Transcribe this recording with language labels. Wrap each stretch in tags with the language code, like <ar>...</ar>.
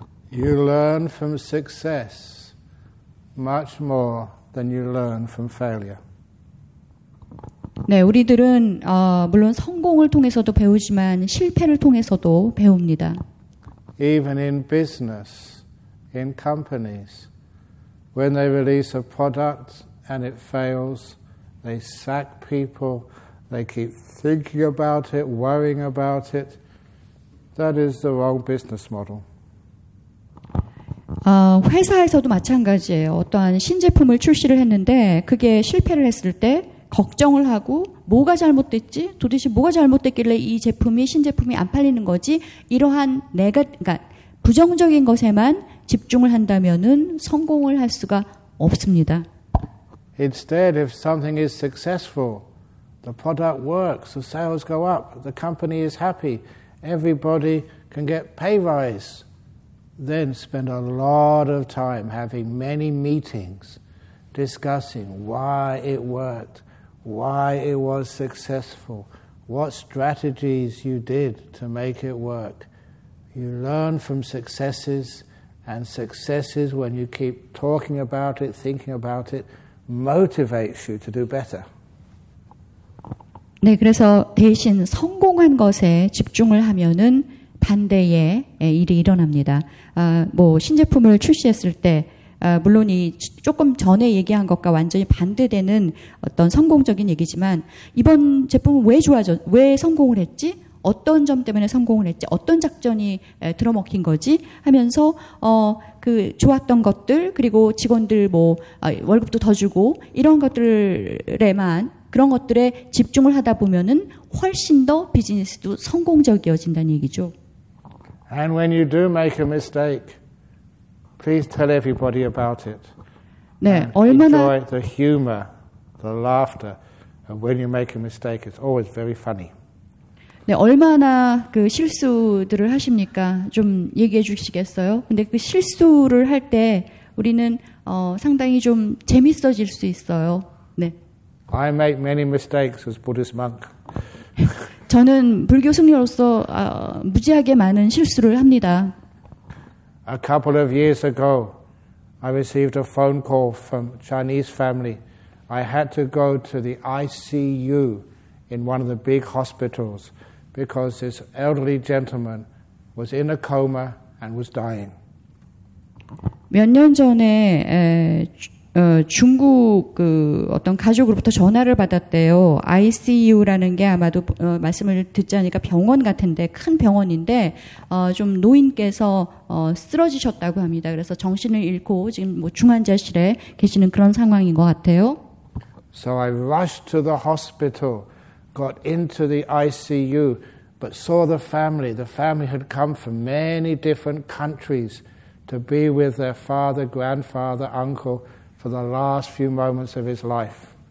<en>You learn from success much more than you learn from failure.</en> <ko>네, 우리들은 물론 성공을 통해서도 배우지만 실패를 통해서도 배웁니다.</ko> <en>Even in business, in companies, when they release a product and it fails, they sack people. They keep thinking about it, worrying about it. That is the wrong business model.</en> <ko>회사에서도 마찬가지예요. 어떠한 신제품을 출시를 했는데 그게 실패를 했을 때 걱정을 하고 뭐가 잘못됐지? 도대체 뭐가 잘못됐길래 이 제품이 신제품이 안 팔리는 거지? 이러한 그러니까 부정적인 것에만 집중을 한다면은 성공을 할 수가 없습니다.</ko> <en>Instead, if something is successful, the product works, the sales go up, the company is happy, everybody can get pay rise, then spend a lot of time having many meetings discussing why it worked, why it was successful, what strategies you did to make it work. You learn from successes, and successes, when you keep talking about it, thinking about it, motivates you to do better.</en> <ko>네, 그래서 대신 성공한 것에 집중을 하면은 반대의 일이 일어납니다. 뭐 신제품을 출시했을 때 물론 이 조금 전에 얘기한 것과 완전히 반대되는 어떤 성공적인 얘기지만 이번 제품은 왜 좋아졌, 왜 성공을 했지? 어떤 점 때문에 성공을 했지? 어떤 작전이 들어먹힌 거지? 하면서 그 좋았던 것들 그리고 직원들 뭐 월급도 더 주고 이런 것들에만 그런 것들에 집중을 하다 보면은 훨씬 더 비즈니스도 성공적이어진다는 얘기죠.</ko> <en>And when you do make a mistake, please tell everybody about it.</en> <ko>네, 얼마나</ko> <en>enjoy the humor, the laughter. And when you make a mistake, it's always very funny.</en> <ko>네, 얼마나 그 실수들을 하십니까? 좀 얘기해 주시겠어요? 근데 그 실수를 할 때 우리는 상당히 좀 재밌어질 수 있어요.</ko> <en>I make many mistakes as Buddhist monk.</en> <ko>저는 불교 승려로서 무지하게 많은 실수를 합니다.</ko> <en>A couple of years ago, I received a phone call from a Chinese family. I had to go to the ICU in one of the big hospitals because this elderly gentleman was in a coma and was dying.</en> <ko>몇 년 전에 중국 그 어떤 가족으로부터 전화를 받았대요. ICU라는 게 아마도 말씀을 듣자니까 병원 같은데 큰 병원인데 좀 노인께서 쓰러지셨다고 합니다. 그래서 정신을 잃고 지금 뭐 중환자실에 계시는 그런 상황인 것 같아요.</ko> <en>So I rushed to the hospital, got into the ICU, but saw the family. The family had come from many different countries to be with their father, grandfather, uncle. For the last few moments of his life.</en>